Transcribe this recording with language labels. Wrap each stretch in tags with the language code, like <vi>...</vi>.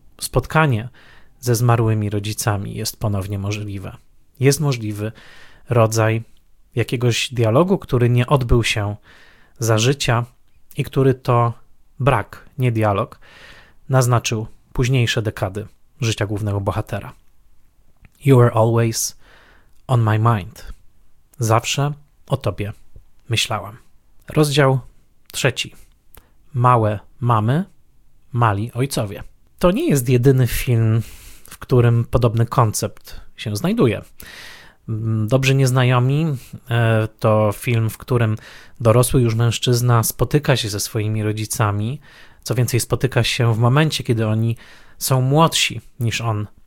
<pl>Spotkanie ze zmarłymi rodzicami jest ponownie możliwe. Jest możliwy rodzaj jakiegoś dialogu, który nie odbył się za życia i który to brak, nie dialog, naznaczył późniejsze dekady życia głównego bohatera.</pl> <en>You are always on my mind.</en> <pl>Zawsze o tobie myślałam. Rozdział trzeci. Małe mamy, mali ojcowie. To nie jest jedyny film, w którym podobny koncept się znajduje. Dobrzy Nieznajomi to film, w którym dorosły już mężczyzna spotyka się ze swoimi rodzicami. Co więcej, spotyka się w momencie, kiedy oni są młodsi niż on</pl>